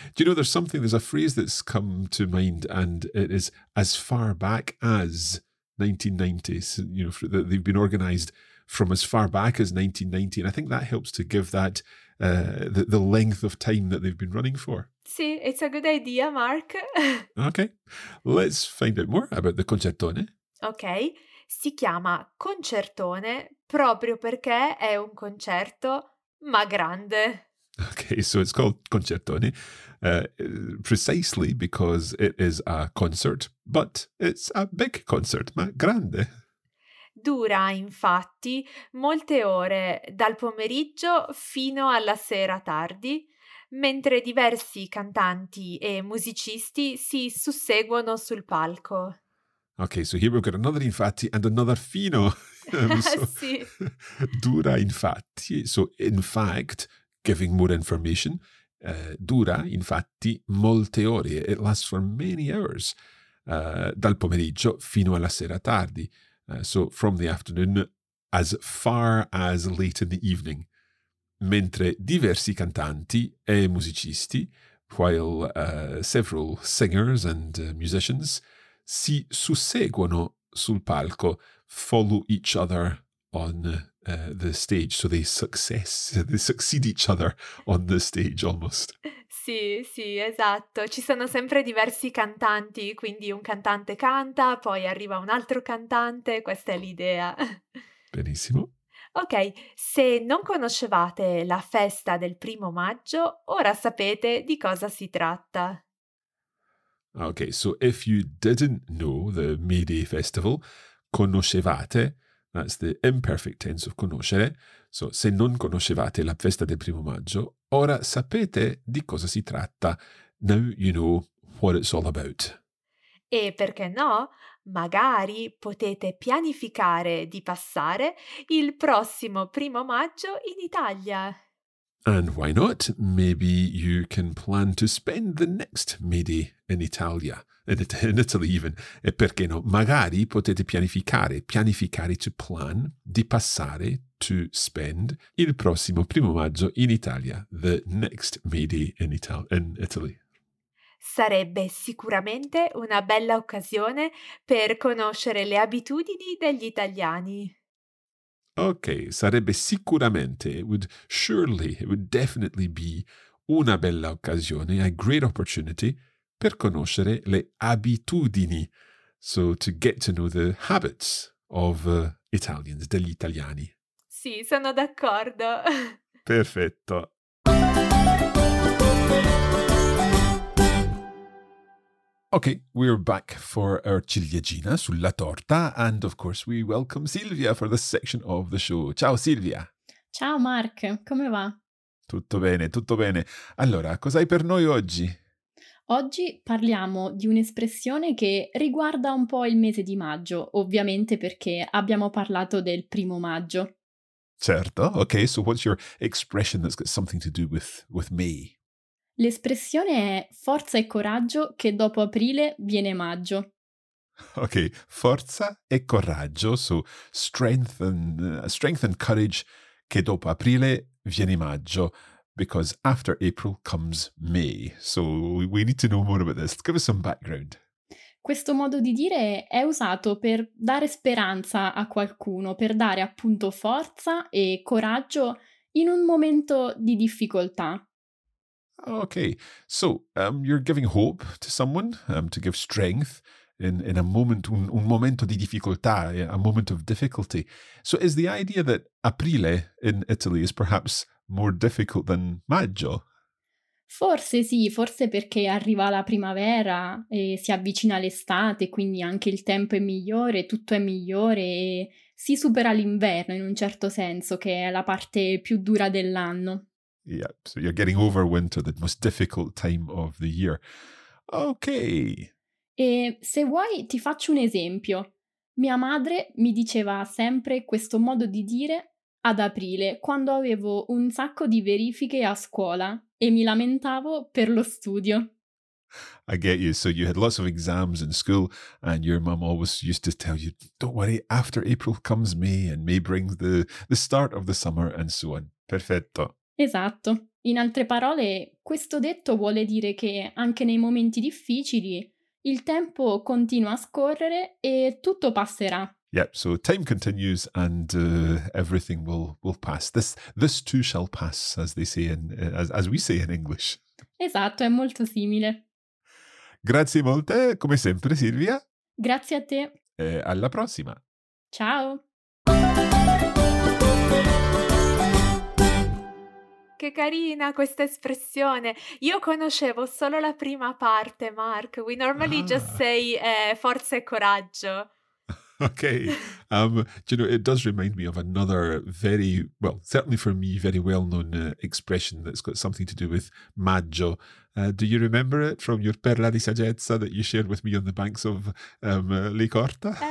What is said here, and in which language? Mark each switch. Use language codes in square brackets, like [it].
[en] Do you know, there's something, there's a phrase that's come to mind, and it is as far back as 1990s, you know, they've been organized from as far back as 1990. And I think that helps to give that the length of time that they've been running for. Sì, it's a good idea, Mark. Okay, let's find out more about the concertone. [it] Okay, si chiama concertone proprio perché è un concerto, ma grande. [en] Okay, so it's called concertone precisely because it is a concert, but it's a big concert, [it] ma grande. Dura, infatti, molte ore, dal pomeriggio fino alla sera tardi, mentre diversi cantanti e musicisti si susseguono sul palco. [en] Okay, so here we've got another infatti and another fino. So, sì. Dura, infatti, so in fact, giving more information, dura, infatti, molte ore. It lasts for many hours, [it] dal pomeriggio fino alla sera tardi. [en] So from the afternoon, as far as late in the evening. [it] Mentre diversi cantanti e musicisti, [en] while several singers and musicians, [it] si susseguono sul palco, [en] follow each other on the stage, so they succeed each other on the stage almost. [it] Sì, sì, esatto. Ci sono sempre diversi cantanti, quindi un cantante canta, poi arriva un altro cantante, questa è l'idea. Benissimo. Ok, se non conoscevate la festa del primo maggio, ora sapete di cosa si tratta. [en] Ok, so if you didn't know the May Day Festival, conoscevate. That's the imperfect tense of conoscere. [it] So, se non conoscevate la festa del primo maggio, ora sapete di cosa si tratta. [en] Now you know what it's all about. [it] E perché no? Magari potete pianificare di passare il prossimo primo maggio in Italia. [en] And why not? Maybe you can plan to spend the next May Day in Italia. In Italy even. [it] E perché no? Magari potete pianificare. Pianificare [en] to plan. [it] Di passare [en] to spend [it] il prossimo primo maggio in Italia. [en] The next May Day in Italy. [it] Sarebbe sicuramente una bella occasione per conoscere le abitudini degli italiani. [en] Ok, [it] sarebbe sicuramente, [en] it would definitely be [it] una bella occasione, [en] a great opportunity, [it] per conoscere le abitudini, [en] so to get to know the habits of Italians, [it] degli italiani. Sì, sono d'accordo. Perfetto. [en] Okay, we're back for our [it] ciliegina sulla torta, [en] and of course we welcome Silvia for this section of the show. [it] Ciao Silvia! Ciao Mark, come va? Tutto bene, tutto bene. Allora, cos'hai per noi oggi? Oggi parliamo di un'espressione che riguarda un po' il mese di maggio, ovviamente perché abbiamo parlato del primo maggio. [en] Certo, okay, so what's your expression that's got something to do with me? [it] L'espressione è forza e coraggio che dopo aprile viene maggio. [en] Ok, [it] forza e coraggio, [en] so strength and courage [it] che dopo aprile viene maggio, [en] because after April comes May. So we need to know more about this. Give us some background. [it] Questo modo di dire è usato per dare speranza a qualcuno, per dare appunto forza e coraggio in un momento di difficoltà. [en] Okay, so you're giving hope to someone, to give strength in a moment, [it] un momento di difficoltà, [en] a moment of difficulty. So is the idea that aprile in Italy is perhaps more difficult than maggio? [it] Forse sì, forse perché arriva la primavera e si avvicina l'estate, quindi anche il tempo è migliore, tutto è migliore e si supera l'inverno in un certo senso, che è la parte più dura dell'anno. [en] Yeah, so you're getting over winter, the most difficult time of the year. Okay. [it] E se vuoi ti faccio un esempio. Mia madre mi diceva sempre questo modo di dire ad aprile, quando avevo un sacco di verifiche a scuola e mi lamentavo per lo studio. [en] I get you. So you had lots of exams in school and your mom always used to tell you, don't worry, after April comes May and May brings the start of the summer and so on. [it] Perfetto. Esatto. In altre parole, questo detto vuole dire che anche nei momenti difficili il tempo continua a scorrere e tutto passerà. [en] Yeah, so time continues and everything will pass. This too shall pass, as they say in as we say in English. [it] Esatto, è molto simile. Grazie molte, come sempre, Silvia. Grazie a te. E alla prossima. Ciao. Che carina questa espressione. Io conoscevo solo la prima parte, Mark. [en] We normally just say [it] forza e coraggio. [en] Okay. You know, it does remind me of another very, well, certainly for me, very well-known expression that's got something to do with maggio. Do you remember it from your [it] perla di saggezza [en] that you shared with me on the banks of Lake Orta?